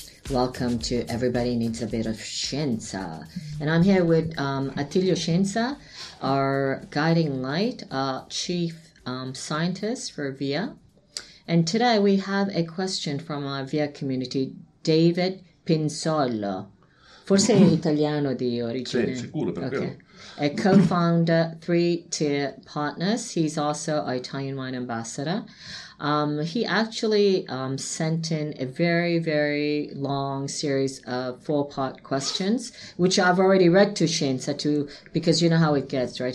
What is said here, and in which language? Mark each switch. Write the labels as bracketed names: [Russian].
[English] Welcome to Everybody Needs a Bit of Scienza. And I'm here with Attilio Scienza, our guiding light, chief scientist for VIA. And today we have a question from our VIA community, David Pinzolo. [Italian] Forse è italiano di origine. Sì, sicuro, per okay. [English] A co-founder, three-tier partners. He's also our Italian wine ambassador. He actually sent in a very, very long series of four-part questions, which I've already read to Scienza, because you know how it gets, right?